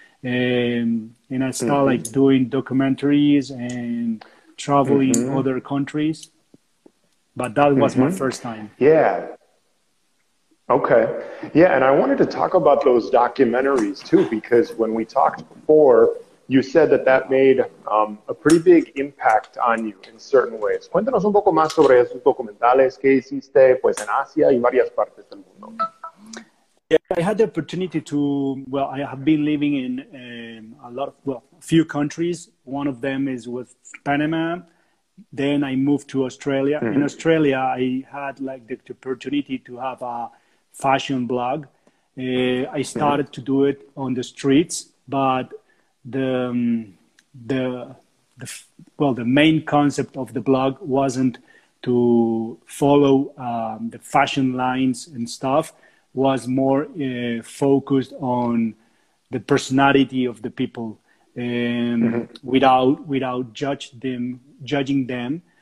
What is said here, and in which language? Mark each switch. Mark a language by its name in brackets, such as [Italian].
[English] And I started like doing documentaries and traveling other countries. But that was my first time. Yeah. Okay. Yeah. And I wanted to talk about those documentaries too, because when we talked before, you said that made a pretty big impact on you in certain ways. [Spanish] Cuéntanos un poco más sobre esos documentales que hiciste, pues, en Asia y varias partes del mundo. [English] Yeah, I had the opportunity to. Well, I have been living in a few countries. One of them is with Panama. Then I moved to Australia. In Australia, I had like the opportunity to have a fashion blog. I started to do it on the streets, but the main concept of the blog wasn't to follow the fashion lines and stuff, was more focused on the personality of the people without judging them.